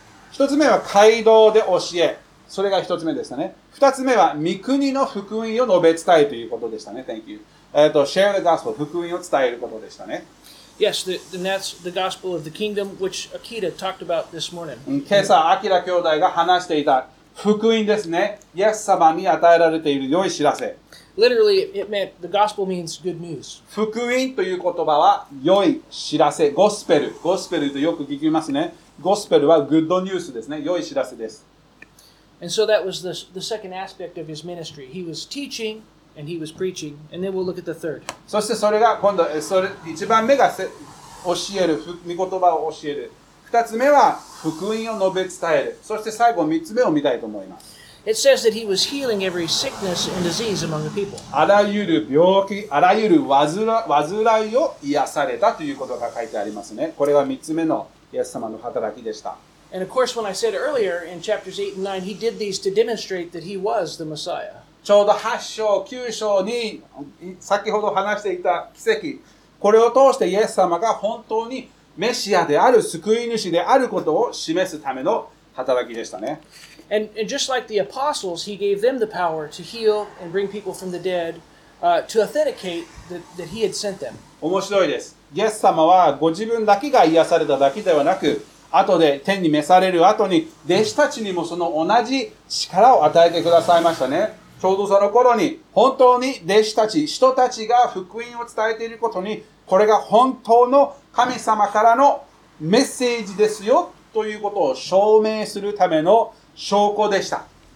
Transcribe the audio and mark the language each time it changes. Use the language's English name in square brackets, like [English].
[Japanese] 一つ目は街道で教え、それが一つ目でしたね。二つ目は御国の福音を述べ伝えということでしたね。 [English] Thank you. Share the gospel, [Japanese] 福音を伝えることでしたね。 [English] Yes, and that's the gospel of the kingdom, which Akita talked about this morning. [Japanese] 今朝、アキラ兄弟が話していた福音ですね。イエス様に与えられている良い知らせ。 [English] Literally, it meant, the gospel means good news. [Japanese] 福音という言葉は良い知らせ。ゴスペル。ゴスペルとよく聞きますね。ゴスペルはグッドニュースですね。良い知らせです。 [English] And so that was the second aspect of his ministry. He was teaching. And he was preaching. And then we'll look at the third. [Japanese] そしてそれが今度それ一番目が教える御言葉を教える。二つ目は福音を述べ伝える。そして最後三つ目を見たいと思います。 [English] It says that he was healing every sickness and disease among the people. [Japanese] あらゆる病気、あらゆる患いを癒されたということが書いてありますね。これは三つ目のイエス様の働きでした。 [English] And of course, when I said earlier in chapters 8 and 9, he did these to demonstrate that he was the Messiah. [Japanese] ちょうど8章、9章に先ほど話していた奇跡、これを通してイエス様が本当にメシアである、救い主であることを示すための働きでしたね。 [English] And just like the apostles, he gave them the power to heal and bring people from the dead, to authenticate that he had sent them. [Japanese] 面白いです。イエス様はご自分だけが癒されただけではなく、後で天に召される後に弟子たちにもその同じ力を与えてくださいましたね。ちょうどその頃に本当に弟子たち、人たちが福音を伝えていることに、これが本当の神様からのメッセージですよということを証明するための証拠でした。